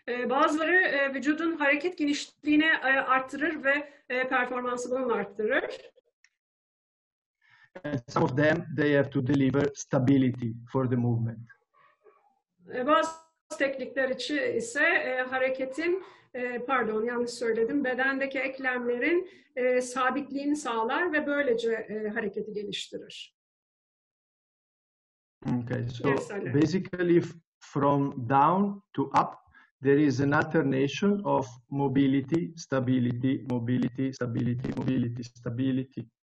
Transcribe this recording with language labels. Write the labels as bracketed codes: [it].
[tr] Bazıları vücudun hareket genişliğini arttırır ve performansı bunu arttırır. [en] And some of them, they have to deliver stability for the movement. [tr] Bazı teknikler için ise hareketin, pardon yanlış söyledim, bedendeki eklemlerin sabitliğini sağlar ve böylece hareketi geliştirir. [en] Okay, so yes, basically from down to up, there is an alternation of mobility, stability, mobility, stability, mobility, stability.